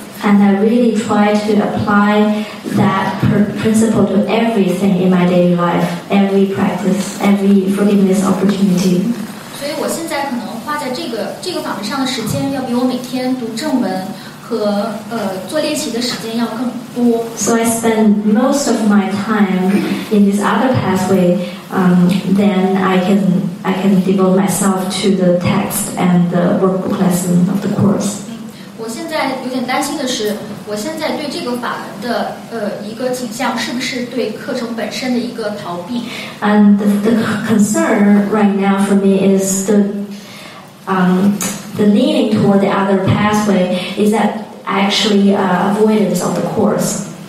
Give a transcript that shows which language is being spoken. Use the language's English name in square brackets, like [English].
[English] And I really try to apply that principle to everything in my daily life, every practice, every forgiveness opportunity. [Chinese] 所以我现在可能花在这个法门上的时间，要比我每天读正文和做练习的时间要更多。 [English] So I spend most of my time in this other pathway, then I can devote myself to the text and the workbook lesson of the course. [Chinese] 我现在有点担心的是，我现在对这个法门的一个倾向是不是对课程本身的一个逃避？ [English] And the concern right now for me is the leaning toward the other pathway, is that actually avoidance of the course?